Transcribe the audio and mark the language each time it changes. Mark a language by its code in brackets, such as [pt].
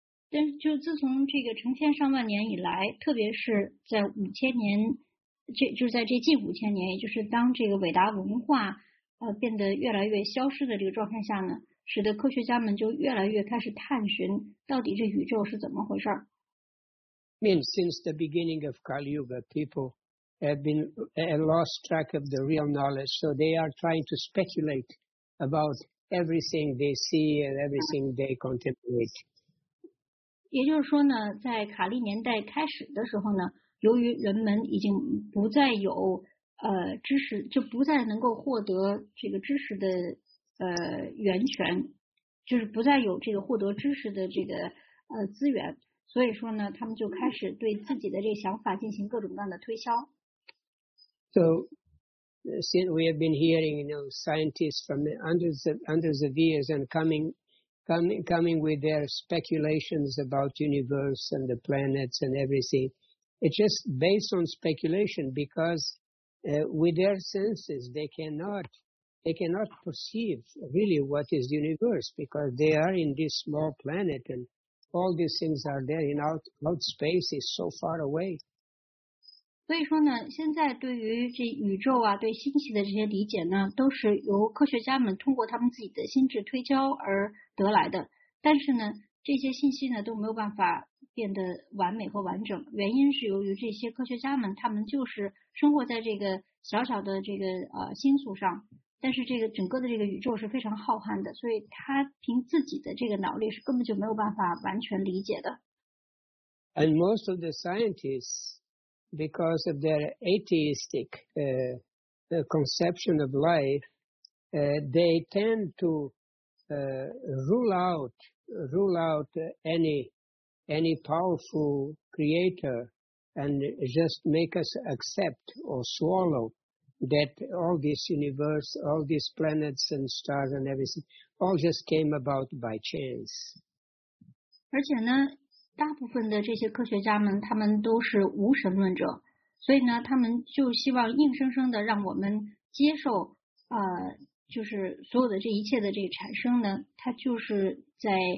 [zh] 但是就自从这个成千上万年以来，特别是在五千年，就在这近五千年，也就是当这个伟大文化变得越来越消失的这个状态下呢，使得科学家们就越来越开始探寻到底这宇宙是怎么回事。 [en] I mean, since the beginning of Kali Yuga, people have lost track of the real knowledge, so they are trying to speculate about everything they see and everything they contemplate. [zh] 也就是说呢，在卡利年代开始的时候呢，由于人们已经不再有知识，就不再能够获得这个知识的源泉，就是不再有这个获得知识的这个资源，所以说呢，他们就开始对自己的这个想法进行各种各样的推销。 [en] So since we have been hearing, you know, scientists from hundreds of years and coming with their speculations about universe and the planets and everything, it's just based on speculation because with their senses they cannot perceive really what is the universe, because they are in this small planet and all these things are there in out space is so far away. [zh] 所以说呢，现在对于这宇宙啊，对星系的这些理解呢，都是由科学家们通过他们自己的心智推敲而得来的。但是呢，这些信息呢都没有办法变得完美和完整，原因是由于这些科学家们他们就是生活在这个小小的这个星宿上，但是这个整个的这个宇宙是非常浩瀚的，所以他凭自己的这个脑力是根本就没有办法完全理解的。 [en] And most of the scientists, because of their atheistic conception of life, they tend to rule out any powerful creator and just make us accept or swallow that all this universe, all these planets and stars and everything all just came about by chance. [zh] 而且呢，大部分的这些科学家们他们都是无神论者，所以呢他们就希望硬生生的让我们接受就是所有的这一切的这个产生呢，它就是在